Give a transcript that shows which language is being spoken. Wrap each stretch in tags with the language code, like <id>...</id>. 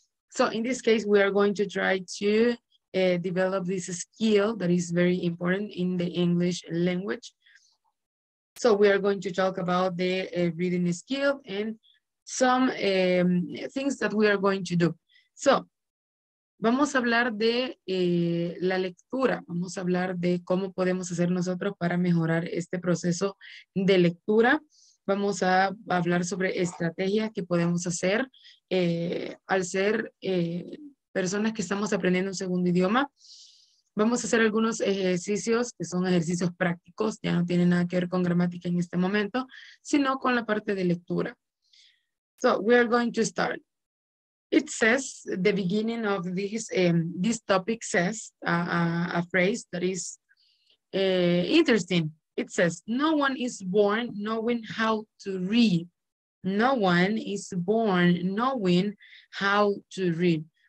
<en>So in this case, we are going to try to develop this skill that is very important in the English language. So we are going to talk about the reading skill and some things that we are going to do.</en> <es>So vamos a hablar de la lectura. Vamos a hablar de cómo podemos hacer nosotros para mejorar este proceso de lectura. Vamos a hablar sobre estrategias que podemos hacer al ser personas que estamos aprendiendo un segundo idioma. Vamos a hacer algunos ejercicios que son ejercicios prácticos. Ya no tienen nada que ver con gramática en este momento, sino con la parte de lectura.</es> <en>So, we are going to start. It says, the beginning of this this topic says a phrase that is interesting. It says, no one is born knowing how to read. No one is born knowing how to read.</en>